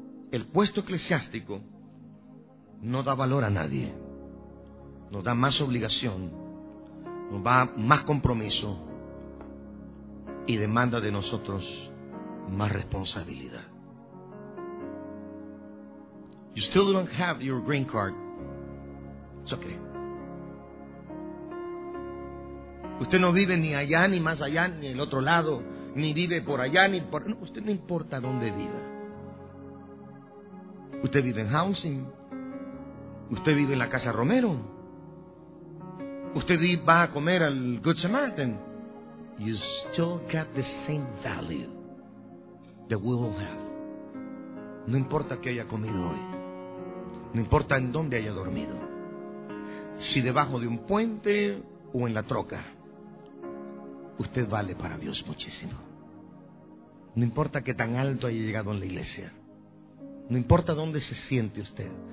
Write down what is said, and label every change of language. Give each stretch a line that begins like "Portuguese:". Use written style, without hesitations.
Spanish: El puesto eclesiástico no da valor a nadie, nos da más obligación, nos da más compromiso y demanda de nosotros más responsabilidad.
English: You still don't have your green card. It's okay.
Spanish: Usted no vive ni allá, ni más allá, ni el otro lado, ni vive por allá, ni por... No, usted no importa dónde viva. Usted vive en housing, usted vive en la Casa Romero, usted va a comer al Good Samaritan.
English: You still got the same value that we will have.
Spanish: No importa qué haya comido hoy. No importa en dónde haya dormido. Si debajo de un puente o en la troca. Usted vale para Dios muchísimo. No importa qué tan alto haya llegado en la iglesia. No importa dónde se siente usted.